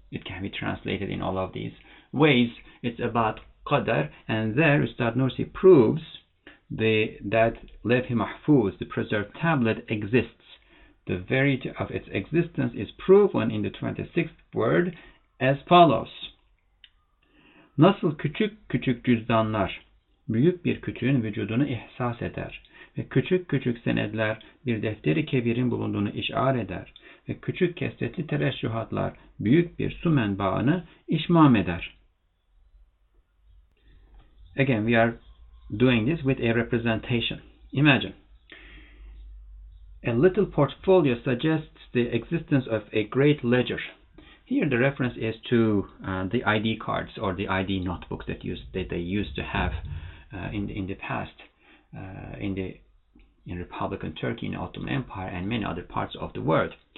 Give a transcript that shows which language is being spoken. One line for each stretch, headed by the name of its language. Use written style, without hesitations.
English: It can be translated in all of these ways. It's about qadar, and there Ustad Nursi proves that Levh-i Mahfuz, the preserved tablet, exists. The verity of its existence is proven in the 26th word as follows.
Turkish: Nasıl küçük küçük cüzdanlar büyük bir küçüğün vücudunu ihsas eder ve küçük küçük senedler bir defteri kebirin bulunduğunu işar eder ve küçük kesretli tereşşuhatlar büyük bir su menbaını işmam eder.
English: Again, we are doing this with a representation. Imagine. A little portfolio suggests the existence of a great ledger. Here the reference is to the ID cards or the ID notebooks that they used to have in the past in Republican Turkey, in the Ottoman Empire, and many other parts of the world.